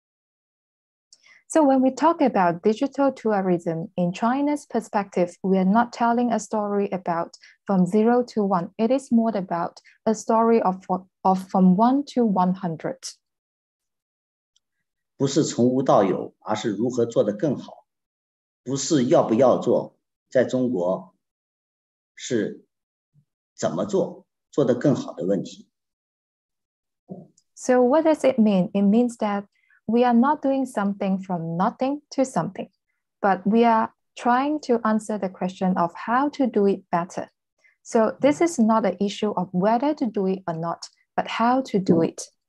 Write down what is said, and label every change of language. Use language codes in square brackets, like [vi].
[en] when we talk about digital tourism, in China's perspective, we are not telling a story about from zero to one. It is more about a story of from one to 100. [zh] 不是从无到有，而是如何做得更好，不是要不要做，在中国是怎么做，做得更好的问题。So [en] what does it mean? It means that we are not doing something from nothing to something, but we are trying to answer the question of how to do it better. So this is not an issue of whether to do it or not, but how to do it.